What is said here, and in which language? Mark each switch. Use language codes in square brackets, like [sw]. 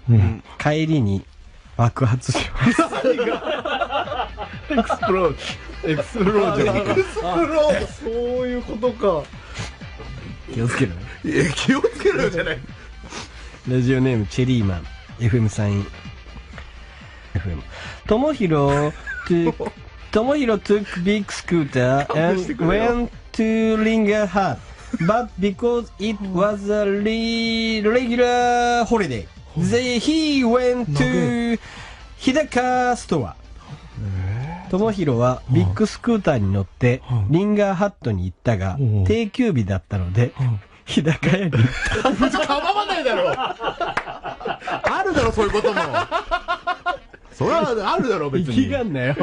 [ja] うん、帰りに、爆発します。何が explode。explode じゃないか。 explode! そういうことか。気をつけろよ。気をつけろよじゃない。ラジオネーム、チェリーマン。 FM サイン。FM。 [en] ともひろ、ともひろ took big scooter and went to Lingerhut. But because it was a regular holiday, he went to Hidaka store. [ja] ともひろはビッグスクーターに乗ってリンガーハットに行ったが、定休日だったので、日高屋に行った。別に構わないだろ。あるだろ、そういうことも。それはあるだろ、別に。生きがんなよ。